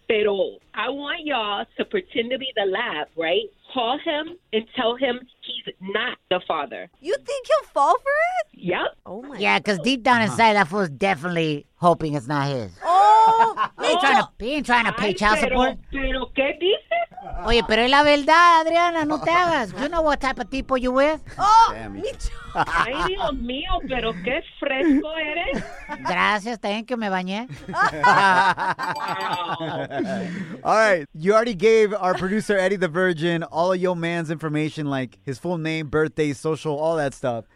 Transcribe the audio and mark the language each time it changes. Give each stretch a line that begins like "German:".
Spanish: Pero
English: I want y'all to pretend to be the lab, right? Call him and tell him he's not the father. You think he'll fall for it? Yep. Oh my. Yeah, because deep down inside, that fool's definitely hoping it's not his. Oh, he ain't trying to pay child support.
Spanish: Pero qué dices? Oye, pero es la verdad, Adriana, no te hagas.
English: You know what type of
Spanish: tipo
English: you with? Oh, damn it.
Spanish: Ay, Dios mío, pero qué fresco eres. Gracias,
English: thank you,
Spanish: me bañé.
English: Wow. All right, you already gave our producer, Eddie the Virgin, all of your man's information, like his full name, birthday, social, all that stuff.